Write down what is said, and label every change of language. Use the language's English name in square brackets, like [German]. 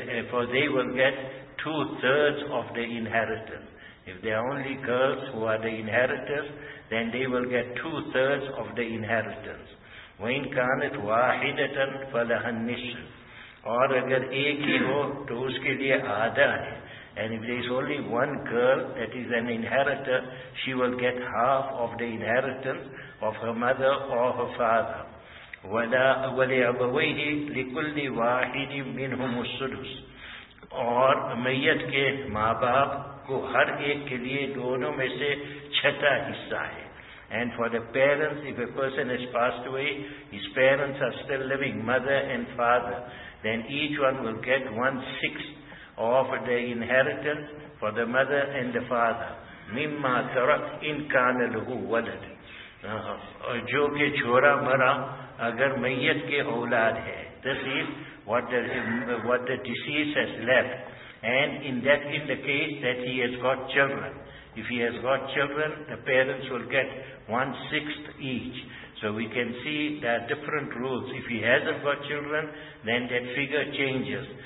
[English] For they will get two-thirds of the inheritance. If they are only girls who are the inheritors, then they will get two-thirds of the inheritance. [Arabic] وَإِنْ كَانَتْ وَاحِدَةً فَلَهَا النِّصْفُ, [Urdu] اور اگر ایک ہی ہو تو اس کے لیے آدھا ہے. [English] And if there is only one girl that is an inheritor, she will get half of the inheritance of her mother or her father. [Arabic] وَلِأَبَوَيْهِ لِكُلِّ وَاحِدٍ مِّنْهُمُ السُّدُسُ, [Urdu] اور میت کے ماں باپ کو ہر ایک کے لیے دونوں میں سے چھٹا حصہ ہے. [English] And for the parents, if a person has passed away, his parents are still living, mother and father, then each one will get one-sixth of the inheritance for the mother and the father. [Arabic] مِمَّا تَرَكْ إِنْ كَانَ لَهُ وَلَدْ, [Urdu] جو کہ چھوڑا مرا اگر میت کے اولاد ہے. [English] This is what the deceased has left. And in that is the case that he has got children. If he has got children, the parents will get one-sixth each. So we can see there are different rules. If he hasn't got children, then that figure changes.